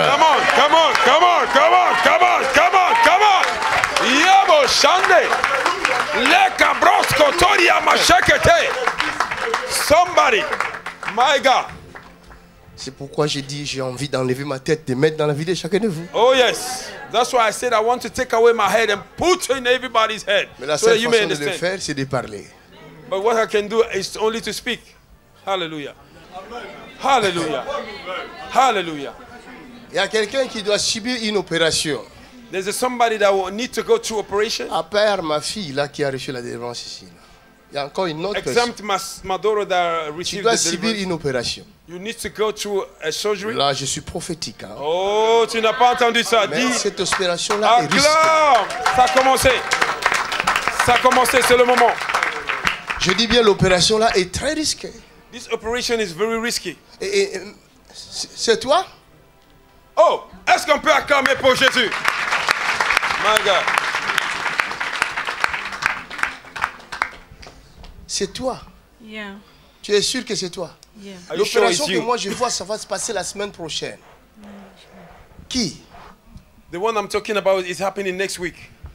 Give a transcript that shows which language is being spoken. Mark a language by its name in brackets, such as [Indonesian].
[English] Come on, come on, come on, come on, come on, come on, come on. Yabo Shande. Le cabros kotori ya machakete. Somebody, my God. [French] C'est pourquoi j'ai dit j'ai envie d'enlever ma tête, de mettre dans la vie de chacun de vous. [English] Oh yes, that's why I said I want to take away my head and put in everybody's head. [French] Mais la seule façon de le faire, c'est de parler. [English] But what I can do is only to speak. Hallelujah. Hallelujah. Hallelujah. [French] Il y a quelqu'un qui doit subir une opération. [English] There's somebody that will need to go to operation. [French] À part ma fille là qui a reçu la délivrance ici. Là. Il y a encore une autre. [English] Exempt ma daughter that received. [French] Tu dois subir une opération. [English] You need to go to a surgery. [French] Là, je suis prophétique. Hein. Oh, tu n'as pas entendu ça. Mais dis, cette opération là est risquée. Ça a commencé. Ça a commencé, c'est le moment. Je dis bien l'opération là est très risquée. [English] This operation is very risky. [French] Et c'est toi? Oh, est-ce qu'on peut acclamer pour Jésus? [English] My God. [French] C'est toi. [English] Yeah. [French] Tu es sûr que c'est toi? [English] Yeah. [French] L'opération sure que moi je vois, ça va se passer la semaine prochaine. Qui? [English] The one I'm talking about is happening next week.